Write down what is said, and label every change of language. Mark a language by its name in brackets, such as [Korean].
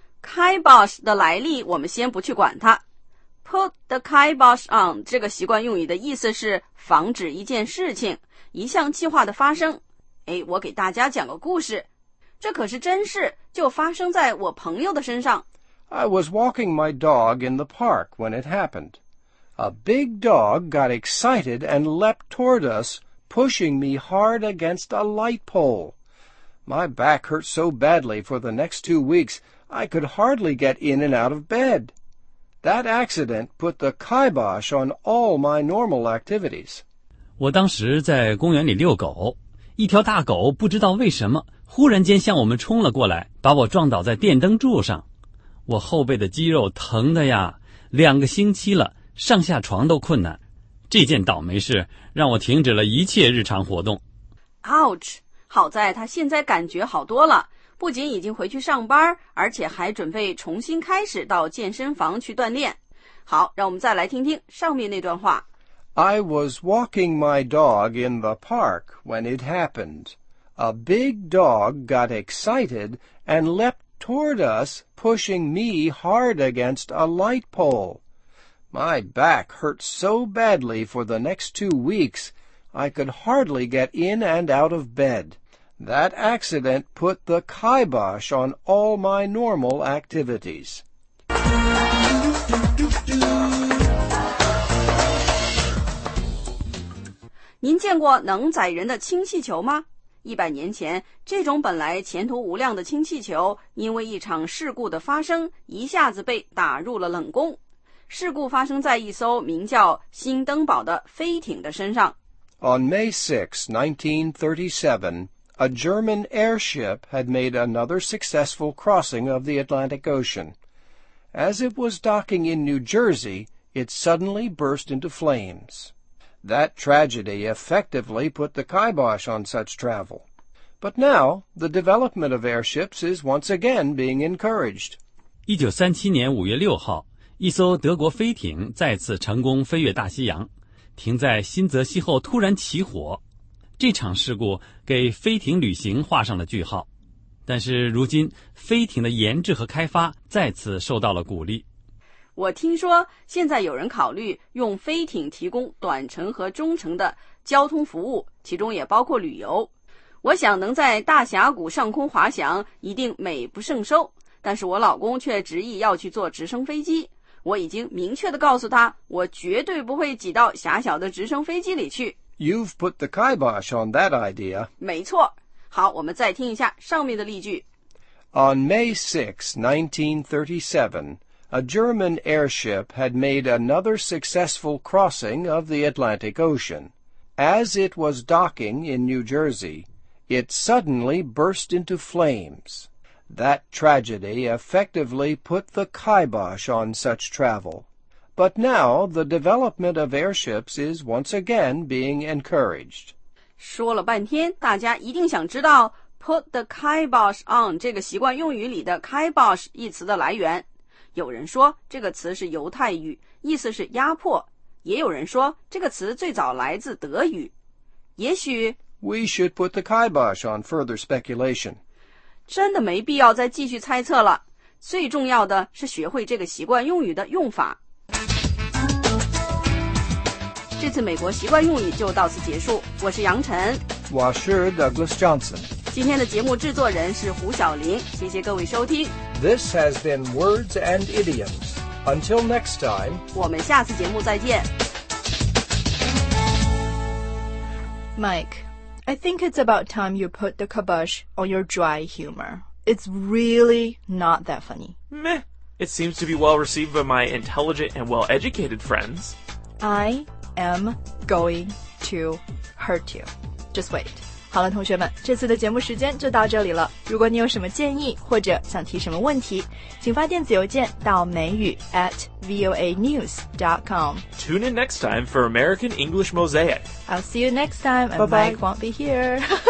[Chinese] Kibosh 的来历我们先不去管它。 [English] Put the kibosh on [Chinese] 这个习惯用语的意思是防止一件事情、一项计划的发生。哎，我给大家讲个故事，这可是真事，就发生在我朋友的身上。 [English] I was walking my dog in the park when it happened. A big dog got excited and leapt toward us, pushing me hard against a light pole. My back hurt so badly for the next 2 weeks, I could hardly get in and out of bed. That accident put the kibosh on all my normal activities. [Chinese] 我当时在公园里遛狗，一条大狗不知道为什么，忽然间向我们冲了过来，把我撞倒在电灯柱上。我后背的肌肉疼的呀，两个星期了，上下床都困难。这件倒霉事让我停止了一切日常活动。 [English] Ouch！ [Chinese] 好在他现在感觉好多了，不仅已经回去上班，而且还准备重新开始到健身房去锻炼。好，让我们再来听听上面那段话。 [English] I was walking my dog in the park when it happened. A big dog got excited and leapt toward us, pushing me hard against a light pole. My back hurt so badly for the next 2 weeks, I could hardly get in and out of bed. That accident put the kibosh on all my normal activities. [Chinese] 您见过能载人的氢气球吗？100年前，这种本来前途无量的氢气球，因为一场事故的发生，一下子被打入了冷宫。事故发生在一艘名叫“新登堡”的飞艇的身上。 [English] On May 6, 1937, a German airship had made another successful crossing of the Atlantic Ocean. As it was docking in New Jersey, it suddenly burst into flames. That tragedy effectively put the kibosh on such travel. But now, the development of airships is once again being encouraged. [Chinese] 1937年5月6号，一艘德国飞艇再次成功飞越大西洋，停在新泽西后突然起火。这场事故给飞艇旅行画上了句号。但是如今，飞艇的研制和开发再次受到了鼓励。我听说现在有人考虑用飞艇提供短程和中程的交通服务，其中也包括旅游。我想能在大峡谷上空滑翔一定美不胜收，但是我老公却执意要去坐直升飞机。我已经明确地告诉他，我绝对不会挤到狭小的直升飞机里去。 [English] You've put the kibosh on that idea. [Chinese] 没错。好，我们再听一下上面的例句。 [English] On May 6, 1937,A German airship had made another successful crossing of the Atlantic Ocean. As it was docking in New Jersey, it suddenly burst into flames. That tragedy effectively put the kibosh on such travel. But now the development of airships is once again being encouraged. [Chinese] 说了半天，大家一定想知道 [English] put the kibosh on [Chinese] 这个习惯用语里的 kibosh 一词的来源。有人说这个词是犹太语，意思是压迫，也有人说这个词最早来自德语。也许 [English] We should put the kibosh on further speculation. [Chinese] 真的没必要再继续猜测了，最重要的是学会这个习惯用语的用法。这次美国习惯用语就到此结束，我是杨晨，我是 Douglas Johnson。今天的节目制作人是胡晓玲，谢谢各位收听。 [English] This has been Words and Idioms. Until next time, [Chinese] 我们下次节目再见。 [English] Mike, I think it's about time you put the kibosh on your dry humor. It's really not that funny. Meh, it seems to be well received by my intelligent and well-educated friends. I am going to hurt you. Just wait. [Chinese] 好了，同学们，这次的节目时间就到这里了。如果你有什么建议或者想提什么问题，请发电子邮件到美语@voanews.com. [English] Tune in next time for American English Mosaic. I'll see you next time. Bye-bye. And Mike won't be here.